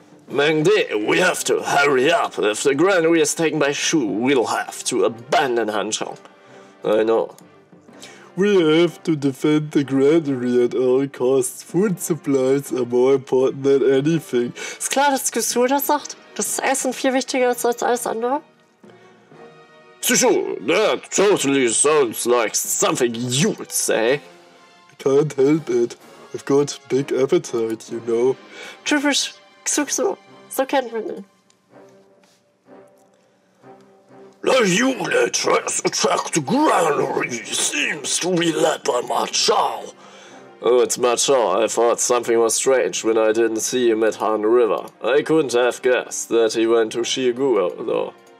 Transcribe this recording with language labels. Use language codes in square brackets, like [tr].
[en] Mengde, we have to hurry up. If the granary is taken by Shu, we'll have to abandon Hanzhong. I know. We have to defend the granary at all costs. Food supplies are more important than anything. [de] Ist klar, dass Gesu das sagt, dass Essen viel wichtiger ist als alles andere. [en] Sushu, that totally sounds like something you would say. I can't help it. I've got big appetite, you know. [de] Typisch Gesu, so kennt man ihn. [en] The unit tries to track the granary seems to be led by Ma Chao. Oh, it's Ma Chao. I thought something was strange when I didn't see him at Han River. I couldn't have guessed that he went to Xiegu, though.